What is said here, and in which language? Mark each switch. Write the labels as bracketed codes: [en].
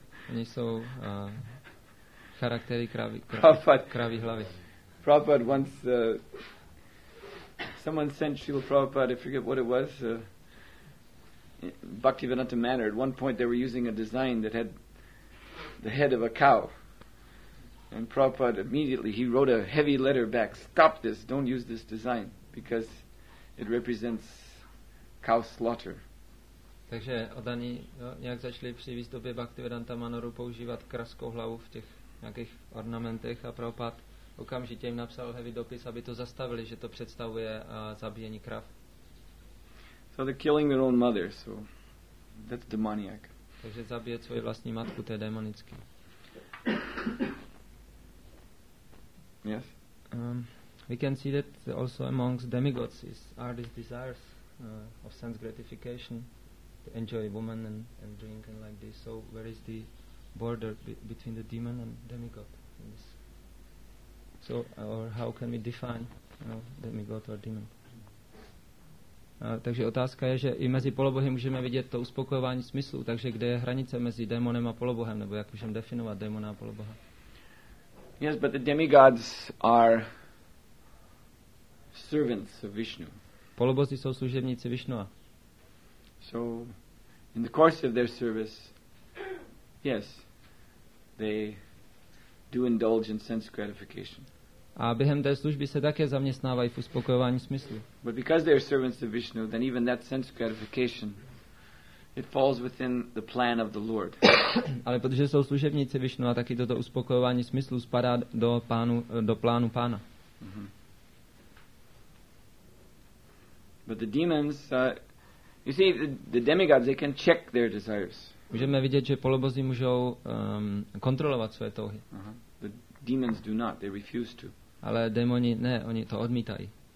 [cs] Oni jsou charaktery kraví hlavy. [en] Prabhupada once someone sent Srila Prabhupada, I forget what it was, Bhaktivedanta Manor. At one point they were using a design that had the head of a cow. And Prabhupada immediately, he wrote a heavy letter back, stop this, don't use this design, because it represents cow slaughter. [cs] Takže oddaní nějak začali při výstupě Bhaktivedanta Manoru používat kraskou hlavu v těch nějakých ornamentech a Prabhupada okamžitě jim napsal heavy dopis, aby to zastavili, že to představuje zabíjení krav. [en] So they're killing their own mother, so that's demoniac. [cs] Takže zabíjet svoji vlastní matku, to je demonický. [en] Yes. We can see that also amongst demigods is are these desires of sense gratification, to enjoy woman and drink and like this. So where is the border between the demon and demigod? So or how can we define, you know, demigod or demon? [cs] Takže otázka je, že i mezi polobohy můžeme vidět to uspokojování smyslu. Takže kde je hranice mezi démonem a polobohem, nebo jak můžeme definovat démona a poloboha? [en] Yes, but the demigods are servants of Vishnu. [cs] Polobozy jsou služebníci Vishnua. [en] So, in the course of their service, yes, they do indulge in sense gratification. [cs] A během té služby se také zaměstnávají v uspokojování smyslu. [en] But because they are servants of Vishnu, then even that sense gratification, it falls within the plan of the Lord. [cs] Ale protože jsou služebníci Vishnu, a taky toto uspokojování smyslu spadá do pánu, do plánu pána. Mm-hmm. [en] But the demons, you see, the demigods, they can check their desires. [cs] Můžeme vidět, že polobozy můžou kontrolovat své touhy. [en] Uh-huh. The demons do not, they refuse to. [cs] Ale démoni ne, oni to odmítají.